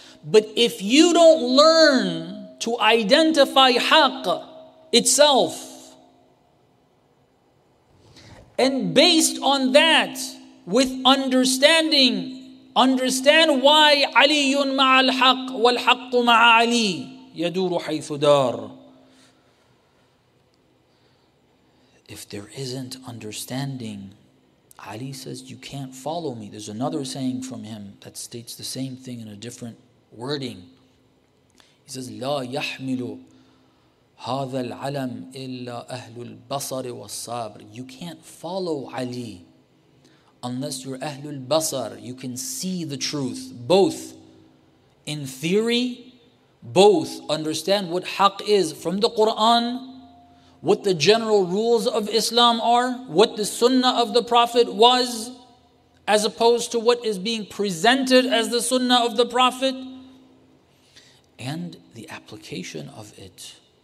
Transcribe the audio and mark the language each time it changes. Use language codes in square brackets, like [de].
[en] But if you don't learn to identify haqq itself, and based on that, with understanding, understand why [ar] Aliyun ma'a al-haq wal-haqqu ma'a Ali yaduru haythu dar. [en] If there isn't understanding, Ali says, you can't follow me. There's another saying from him that states the same thing in a different wording. He says, [ar] لا يحمل هذا العلم إلا أهل البصر والصبر. [en] You can't follow Ali unless you're أهل البصر. You can see the truth, both in theory both understand what haqq is from the Quran, what the general rules of Islam are, what the sunnah of the Prophet was, as opposed to what is being presented as the sunnah of the Prophet, and the application of it.